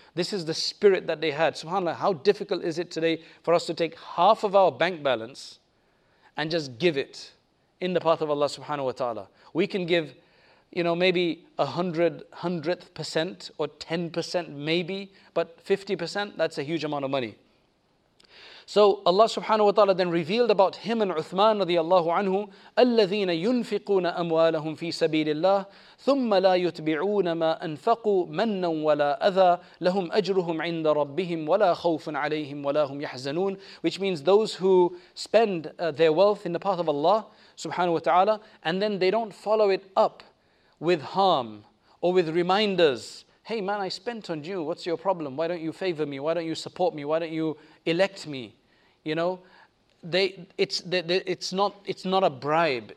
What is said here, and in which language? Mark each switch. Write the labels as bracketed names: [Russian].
[English] This is the spirit that they had. SubhanAllah, how difficult is it today for us to take half of our bank balance and just give it in the path of Allah subhanahu wa ta'ala? We can give, you know, maybe 100th percent or 10% maybe, but 50%, that's a huge amount of money. So Allah subhanahu wa ta'ala then revealed about him and Uthman radiallahu anhu, [Arabic] الَّذِينَ يُنْفِقُونَ أَمْوَالَهُمْ فِي سَبِيلِ اللَّهِ ثُمَّ لَا يُتْبِعُونَ مَا أَنْفَقُوا مَنًّا وَلَا أَذَى لَهُمْ أَجْرُهُمْ عِنْدَ رَبِّهِمْ وَلَا خَوْفٌ عَلَيْهِمْ وَلَا هُمْ يَحْزَنُونَ. [English] Which means those who spend their wealth in the path of Allah subhanahu wa ta'ala, and then they don't follow it up with harm or with reminders. Hey man, I spent on you, what's your problem? Why don't you favor me? Why don't you support me? Why don't you elect me? You know, it's not a bribe.